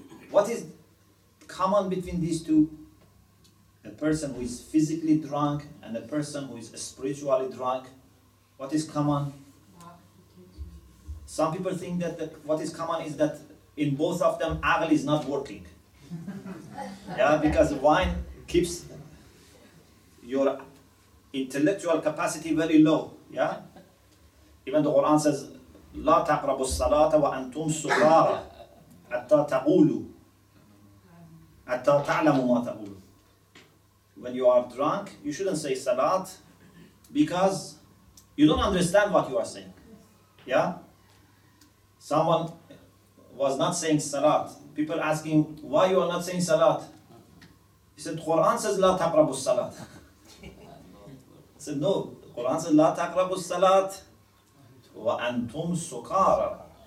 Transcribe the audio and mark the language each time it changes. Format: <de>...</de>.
<en>What is common between these two? A person who is physically drunk and a person who is spiritually drunk. What is common? Some people think that what is common is that in both of them, aql is not working. Yeah, because wine keeps your intellectual capacity very low. Yeah, even the Quran says,</en> <ar>لا تقربوا الصلاة وأنتم سكارى حتى تقولوا حتى تعلموا ما تقولوا.</ar> <en>When you are drunk, you shouldn't say salat because you don't understand what you are saying. Yeah. Someone was not saying salat. People asking, why you are not saying salat? He said, Quran says,</en> <ar>la taqrabu salat.</ar> <en>He said, no, Quran says,</en> <ar>la taqrabu salat wa antum sukara.</ar>